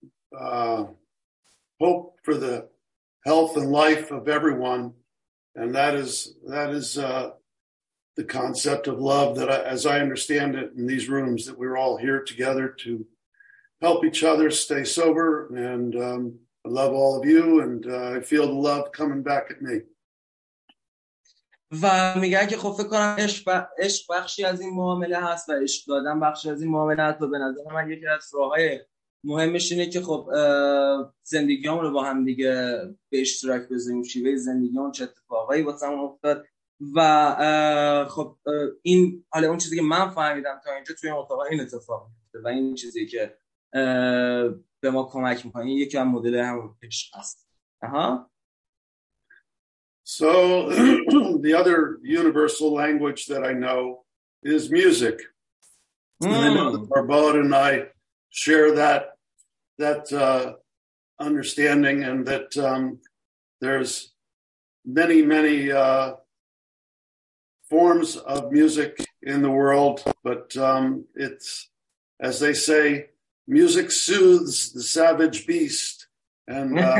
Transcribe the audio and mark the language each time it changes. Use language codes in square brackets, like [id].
[en] hope for the health and life of everyone, and the concept of love that, as I understand it in these rooms, that we're all here together to help each other stay sober. And I love all of you, and I feel the love coming back at me. [fa] و میگه که خب فکر کنم عشق بخشی از این معامله هست و عشق دادن بخشی از این معامله هست و به نظر من یکی از راه‌های مهمش اینه که خب زندگیام رو با هم دیگه به اشتراک بذاریم، شیوه زندگیام چه اتفاقایی واسم افتاد. و خب این حالا اون چیزی که من فهمیدم تا اینجا توی این اتفاق این اتفاق و این چیزی که به ما کمک میکنه یکی از مدل هم عشق هست. آها. [en] So the other universal language that I know is music. Barbara and I share that understanding, and that there's many forms of music in the world, but it's, as they say, music soothes the savage beast, and